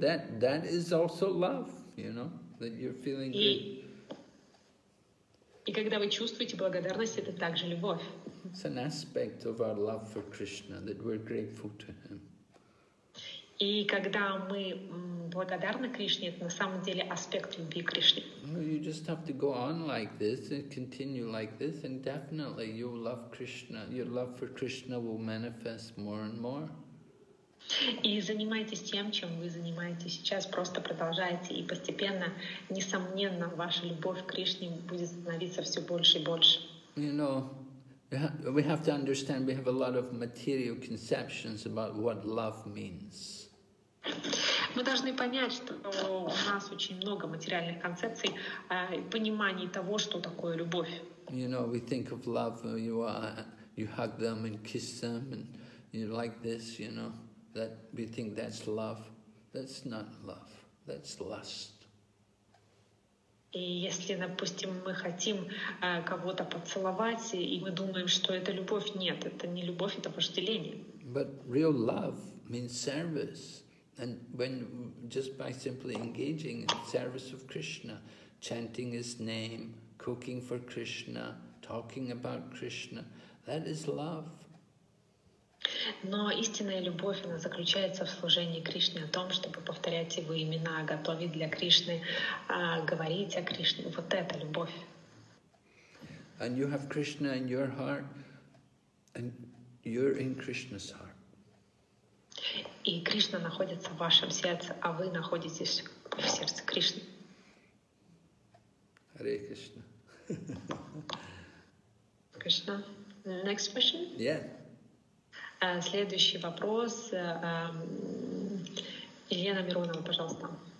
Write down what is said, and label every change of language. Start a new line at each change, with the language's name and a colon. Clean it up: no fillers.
English: That is also love, you know, that you're feeling good.
Russian: И когда вы чувствуете благодарность, это также любовь.
English: It's an aspect of our love for Krishna, that we're grateful to him.
Russian: И когда мы благодарны Кришне, это на самом деле аспект любви к Кришне.
English: Well, you just have to go on like this and continue like this, and definitely you love Krishna. Your love for Krishna will manifest more and more.
Russian: И занимайтесь тем, чем вы занимаетесь сейчас, просто продолжайте, и постепенно, несомненно, ваша любовь к Кришне будет становиться все больше и больше.
English: You know, we have to understand, we have a lot of material conceptions about what love means.
Russian: Мы должны понять, что у нас очень много материальных концепций, понимания того, что такое любовь.
English: You know, we think of love, you hug them and kiss them, and you like this, you know. That we think that's love, that's not love, that's lust.
Russian: И если, допустим, мы хотим кого-то поцеловать, и мы думаем, что это любовь, нет, это не любовь, это вожделение.
English: But real love means service. And when just by simply engaging in service of Krishna, chanting his name, cooking for Krishna, talking about Krishna, that is love.
Russian: Но истинная любовь, она заключается в служении Кришне, о том, чтобы повторять его имена, готовить для Кришны, говорить о Кришне. Вот это любовь.
English: And you have Krishna in your heart, and you're in Krishna's heart.
Russian: И Кришна находится в вашем сердце, а вы находитесь в сердце Кришны.
English: Hare Krishna. Krishna, next question? Yeah.
Russian: Следующий вопрос. Елена Миронова, пожалуйста.